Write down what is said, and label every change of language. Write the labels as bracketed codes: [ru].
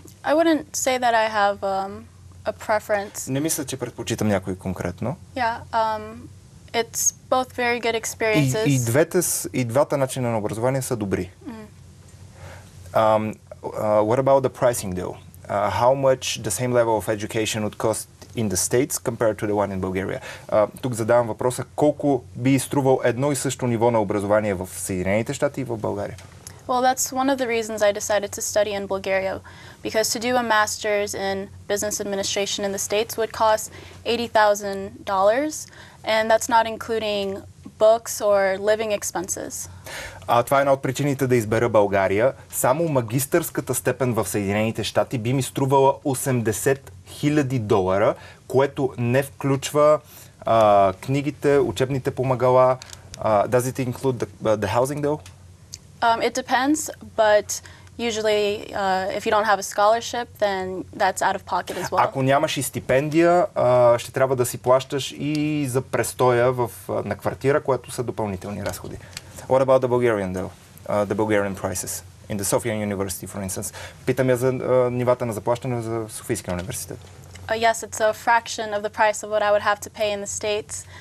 [en] I wouldn't say that I have a preference. [bg] Не мисля, че предпочитам някой конкретно. [en] Yeah, it's both very good experiences. [bg] И двата начина на образование са добри. [en] What about the pricing though? How much the same level of education would cost in the States compared to the one in Bulgaria? [bg] Тук задавам въпроса, колко би струвал едно и също ниво на образование в Съединените щати и в България? [en] Well, that's one of the reasons I decided to study in Bulgaria, because to do a master's in business administration in the States would cost $80,000, and that's not including books or living expenses. [bg] Това е една от причините да избера България. Само магистърската степен в Съединените щати би ми струвала $80,000, което не включва книгите, учебните помагала. [en] Does it include the housing though? It depends, but usually if you don't have a scholarship, then that's out of pocket as well. [bg] Ако нямаш и стипендия, ще трябва да си плащаш и за престоя на квартира, което са допълнителни разходи. [en] What about the Bulgarian though? The Bulgarian prices in the Sofia University, for instance. [bg] Питам я за нивата на заплащане за Софийския университет. [en] Yes, it's a fraction of the price of what I would have to pay in the States.